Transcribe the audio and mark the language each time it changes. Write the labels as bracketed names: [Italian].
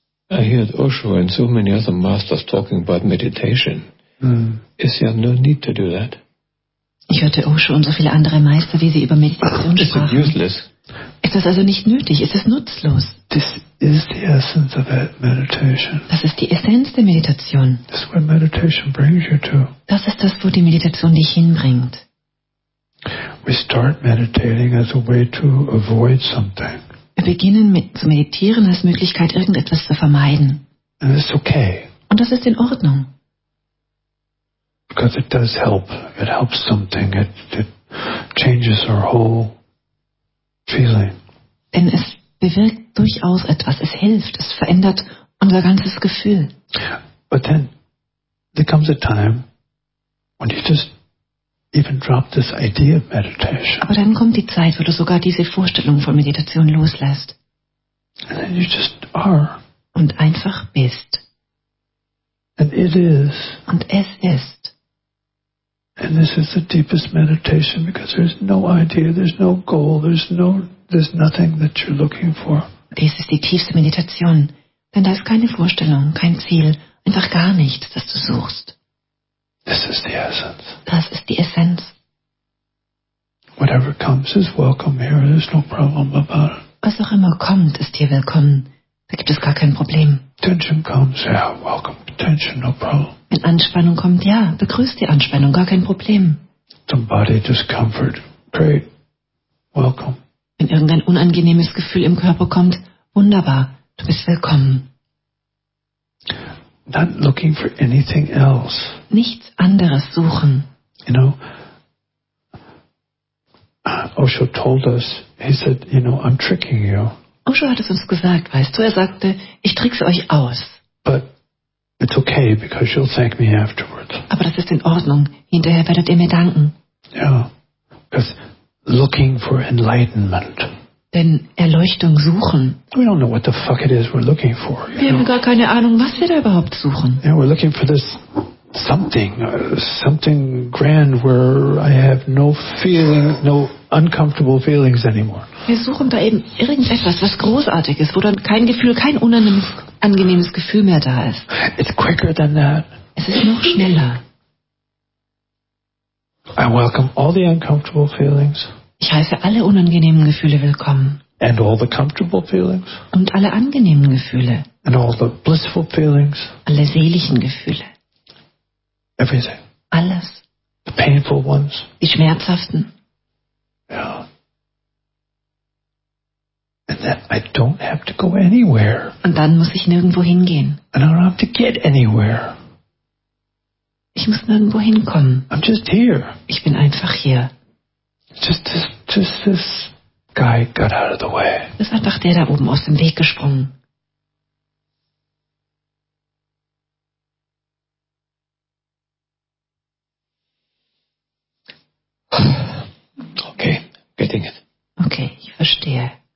[English] I heard Osho and so many other masters talking about meditation. Is there no need to do that? [German] Ich hörte Osho und so viele andere Meister, wie sie über Meditation sprachen. [English] Is it useless? [German] Ist das also nicht nötig? Ist es nutzlos? [English] This is the essence of meditation. [German] Das ist die Essenz der Meditation. [English] This is where meditation brings you to. [German] Das ist das, wo die Meditation dich hinbringt. [English] We start meditating as a way to avoid something. [German] Wir beginnen mit zu meditieren als Möglichkeit, irgendetwas zu vermeiden. [English] And it's okay. [German] Und das ist in Ordnung. [English] Because it does help. It helps something. It changes our whole feeling. [German] Denn es bewirkt durchaus etwas. Es hilft. Es verändert unser ganzes Gefühl. [English] But then there comes a time when you just even drop this idea of meditation. [German] Aber dann kommt die Zeit, wo du sogar diese Vorstellung von Meditation loslässt. [English] And then you just are. [German] Und einfach bist. [English] And it is. [German] Und es ist. [English] And this is the deepest meditation because there's no idea, there's no goal, there's nothing that you're looking for. [German] Dies ist die tiefste Meditation, denn da ist keine Vorstellung, kein Ziel, einfach gar nichts, das du suchst. [English] This is the essence. [German] Das ist die Essenz. [English] Whatever comes is welcome here. There's no problem about it. [German] Was auch immer kommt, ist hier willkommen. Da gibt es gar kein Problem. [English] Tension comes, yeah, welcome. Tension, no problem. [German] Wenn Anspannung kommt, ja, begrüß die Anspannung, gar kein Problem. [English] Some body discomfort, great, welcome. [German] Wenn irgendein unangenehmes Gefühl im Körper kommt, wunderbar, du bist willkommen. [English] Not looking for anything else. [German] Nichts anderes suchen. [English] You know, Osho told us, he said, you know, I'm tricking you. [German] Osho hat es uns gesagt, weißt du, er sagte, ich trickse euch aus. [English] But it's okay, because you'll thank me afterwards. [German] Aber das ist in Ordnung, hinterher werdet ihr mir danken. [English] Yeah, because looking for enlightenment. [German] Denn Erleuchtung suchen. [English] We don't know what the fuck it is we're looking for. [German] Wir haben gar keine Ahnung, was wir da überhaupt suchen. [English] Yeah, we're looking for this something grand where I have no feeling, no uncomfortable feelings anymore. [German] Wir suchen da eben irgendetwas, was großartig ist, wo dann kein Gefühl, kein unangenehmes Gefühl mehr da ist. [English] It's quicker than that. [German] Es ist noch schneller. [English] I welcome all the uncomfortable feelings. [German] Ich heiße alle unangenehmen Gefühle willkommen. [English] And all the comfortable feelings. [German] Und alle angenehmen Gefühle. [English] And all the blissful feelings. [German] Alle seligen Gefühle. [English] Everything. [German] Alles. [English] The painful ones. [German] Die schmerzhaften. [English] Yeah. And that I don't have to go anywhere. [German] Und dann muss ich nirgendwo hingehen. [English] And I don't have to get anywhere. [German] Ich muss nirgendwo hinkommen. [English] I'm just here. [German] Ich bin einfach hier. [English] Just this guy got out of the way. [German] Das ist einfach der da oben aus dem Weg gesprungen. [English] Okay, getting it. [German] Okay, ich verstehe.